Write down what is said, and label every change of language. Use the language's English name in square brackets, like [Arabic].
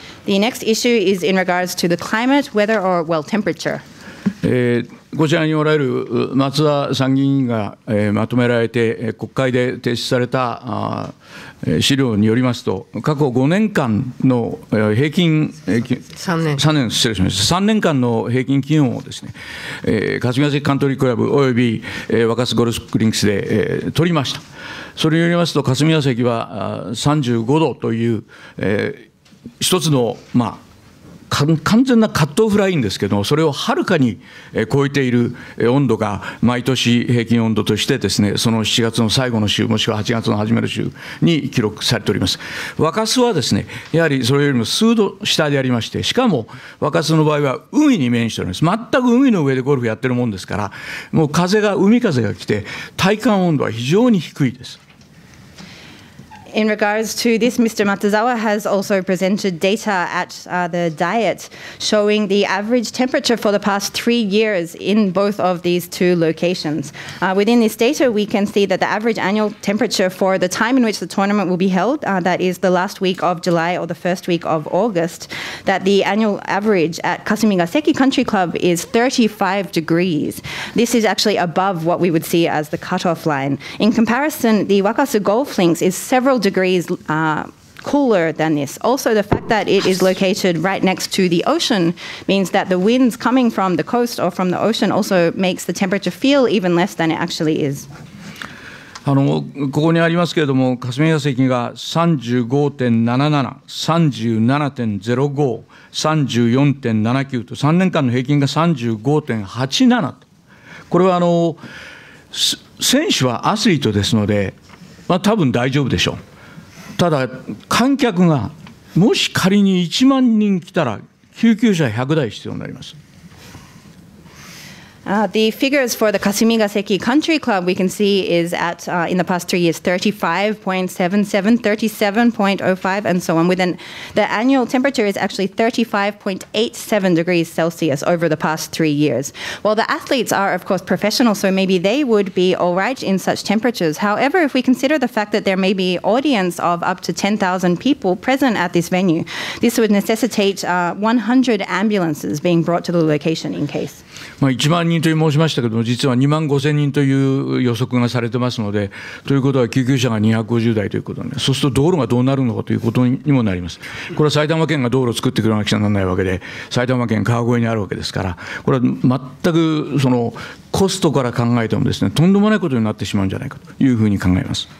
[English] The next issue is in regards to the climate, weather, or well, temperature. [Japanese] こちらにおられる松田参議院が、まとめられて国会で提出された資料によりますと、過去5年間の平均3年間の平均気温をですね、霞ヶ関カントリークラブおよび若洲ゴルフリンクスで取りました。それによりますと霞ヶ関は35度という、一つのまあ完全なカットオフラインですけど、それをはるかに超えている温度が毎年平均温度としてですね、その7月の最後の週、もしくは8月の初めの週に記録されております。若洲はですね、やはりそれよりも数度下でありまして、しかも若洲の場合は海に面しております。全く海の上でゴルフやってるもんですから、もう風が、海風が来て体感温度は非常に低いです。 [English] In regards to this, Mr. Matsuzawa has also presented data at the Diet showing the average temperature for the past 3 years in both of these two locations. Within this data, we can see that the average annual temperature for the time in which the tournament will be held, that is the last week of July or the first week of August, that the annual average at Kasumigaseki Country Club is 35 degrees. This is actually above what we would see as the cutoff line. In comparison, the Wakasu Golf Links is several degrees cooler than this. Also, the fact that it is located right next to the ocean means that the winds coming from the coast or from the ocean also makes the temperature feel even less than it actually is. [Japanese] ここにありますけれども、霞ヶ関が 35.77、37.05、34.79 と3年間の平均が 35.87 と。これは選手はアスリートですので、まあ、多分大丈夫でしょう。ただ観客がもし仮に1万人来たら救急車100台必要になります。 [English] The figures for the Kasumigaseki Country Club, we can see, is at, in the past 3 years, 35.77, 37.05, and so on. Within the annual temperature is actually 35.87 degrees Celsius over the past 3 years. Well, the athletes are, of course, professional, so maybe they would be all right in such temperatures. However, if we consider the fact that there may be audience of up to 10,000 people present at this venue, this would necessitate 100 ambulances being brought to the location in case. [Japanese] まあ、1万人と申しましたけども、実は2万5000人という予測がされてますので、ということは救急車が250台ということで、そうすると道路がどうなるのかということにもなります。これは埼玉県が道路を作ってくれなくちゃならないわけで、埼玉県川越にあるわけですから、これは全くそのコストから考えてもですね、とんでもないことになってしまうんじゃないかというふうに考えます。